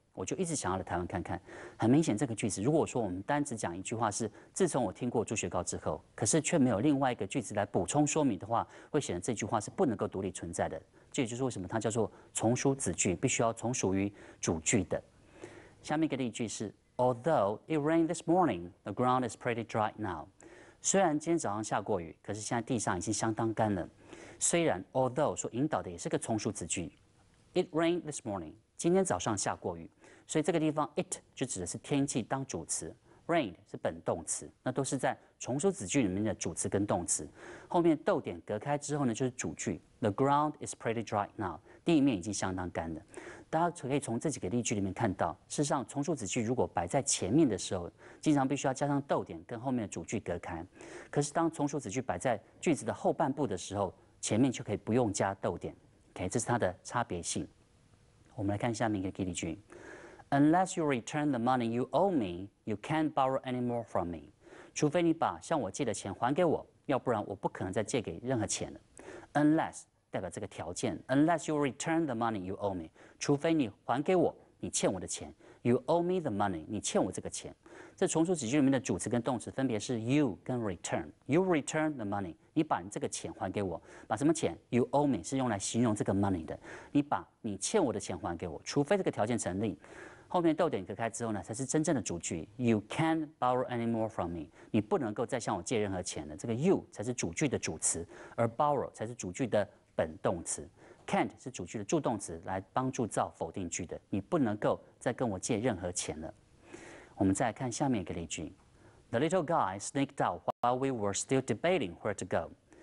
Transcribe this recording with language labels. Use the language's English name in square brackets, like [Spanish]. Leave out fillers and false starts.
[Chinese] 我就一直想要来台湾看看，很明显这个句子，如果说我们单只讲一句话是自从我听过猪血糕之后，可是却没有另外一个句子来补充说明的话，会显得这句话是不能够独立存在的。这也就是为什么它叫做从属子句，必须要从属于主句的。 [English] 下面一个例句是 Although it rained this morning, the ground is pretty dry now. [Chinese] 虽然今天早上下过雨，可是现在地上已经相当干了。虽然 although 所引导的也是个从属子句 ， It rained this morning. 今天早上下过雨，所以这个地方 it 就指的是天气当主词 ，rained 是本动词，那都是在从属子句里面的主词跟动词。后面逗点隔开之后呢，就是主句。 [English] The ground is pretty dry now，地面已经相当干了。 [Chinese] 大家可以从这几个例句里面看到，事实上从属子句如果摆在前面的时候，经常必须要加上逗点跟后面的主句隔开。可是当从属子句摆在句子的后半部的时候，前面就可以不用加逗点。 OK， 这是它的差别性。 [English] 我们来看下面一个例句，Unless you return the money you owe me, you can't borrow any more from me. [Chinese] 除非你把向我借的钱还给我，要不然我不可能再借给任何钱了。 [English] Unless 代表这个条件，Unless you return the money you owe me，除非你还给我你欠我的钱。 [Chinese] You owe me the money，你欠我这个钱。这从属子句里面的主词跟动词分别是 you 跟 return。 You return the money，你把你这个钱还给我，把什么钱 ？ You owe me 是用来形容这个 money 的，你把你欠我的钱还给我，除非这个条件成立。后面逗点隔开之后呢，才是真正的主句。 You can't borrow any more from me，你不能够再向我借任何钱了。这个 you 才是主句的主词，而 borrow 才是主句的本动词。 Can't 是主句的助动词，来帮助造否定句的。你不能够再跟我借任何钱了。 [English] 我们再来看下面一个例句，The little guy sneaked out while we were still debating where to go。